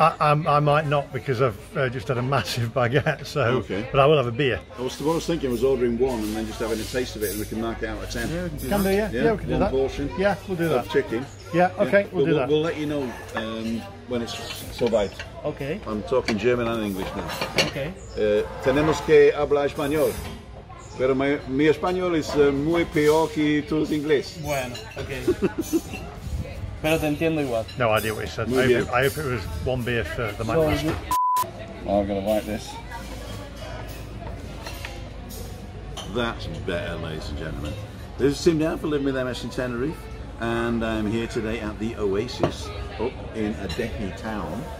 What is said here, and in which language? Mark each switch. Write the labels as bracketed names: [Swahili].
[English] I might not, because I've just had a massive baguette, so. Okay. But I will have a beer. What I was thinking was ordering one and then just having a taste of it, and we can mark it out at 10. Yeah, we can do that. One portion. Yeah, we'll do that. Of chicken. Yeah, okay, yeah. We'll do that. We'll let you know when it's so bad. Okay. I'm talking German and English now. Okay. [Spanish] Tenemos que hablar español. Pero mi español es muy peor que tu inglés. Bueno, okay. Pero te entiendo igual. [English] No idea what he said. I hope it was one beer for the MacMaster. I'm going to wipe this. That's better, ladies and gentlemen. This is Tim Dowd for living with MS in Tenerife. And I'm here today at the Oasis up in Adeje town.